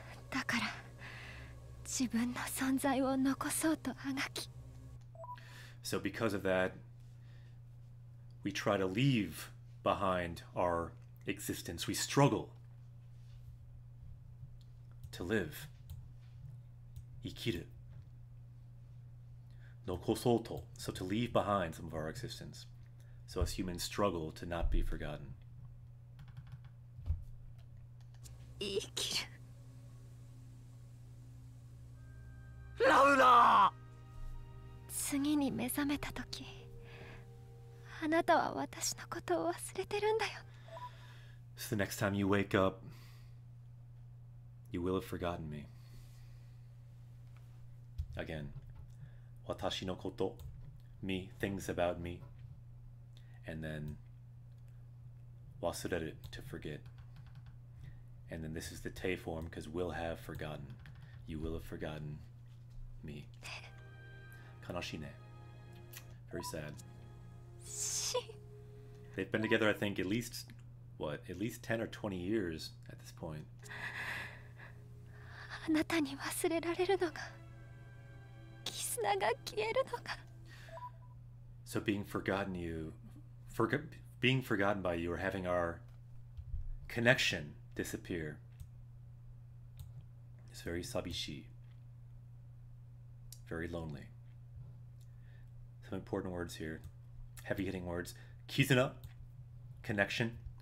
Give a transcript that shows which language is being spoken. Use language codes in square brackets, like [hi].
[ja] だから自分の存在を残そうとあがき。 [en] So because of that, we try to leave behind our existence. We struggle to live. 生きる。 [ja] 残そうと。 [en] So to leave behind some of our existence. So as humans struggle to not be forgotten. [ja] 生きる。ラウラ！次に目覚めた時、あなたは私のことを忘れてるんだよ。 [en] So the next time you wake up, you will have forgotten me. Again, 私のこと、me, things about me. And then, 忘れる, to forget. And then this is the te form, because will have forgotten. You will have forgotten me. [ja] 悲しいね. [en] Very sad. They've been together, I think, at least 10 or 20 years at this point. [ja] あなたに忘れられるのが、絆が消えるのが。 [en] So being forgotten you, being forgotten by you, or having our connection disappear, is very 寂しい, very lonely. Some important words here, heavy hitting words. 絆, connection.